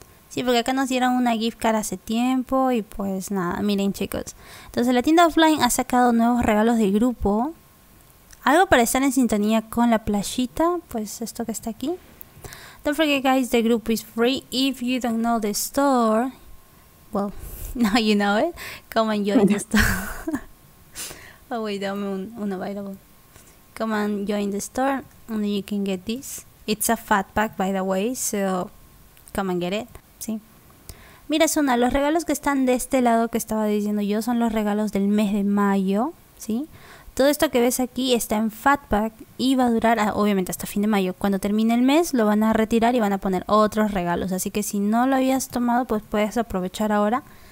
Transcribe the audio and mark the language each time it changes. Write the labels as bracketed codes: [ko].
[es] Sí, porque acá nos dieron una gift card hace tiempo y pues nada, miren chicos. Entonces la tienda offline ha sacado nuevos regalos del grupo. Algo para estar en sintonía con la playita, pues esto que está aquí. [en] Don't forget guys, the group is free. If you don't know the store, well, now you know it. Come and join the store. Oh wait, [es] dame un [en] available. Come and join the store and you can get this. It's a fat pack by the way, so come and get it. [es] Mira, Suna, los regalos que están de este lado que estaba diciendo yo son los regalos del mes de mayo, ¿sí? Todo esto que ves aquí está en Fatpack y va a durar, obviamente, hasta fin de mayo. Cuando termine el mes, lo van a retirar y van a poner otros regalos. Así que si no lo habías tomado, pues puedes aprovechar ahora.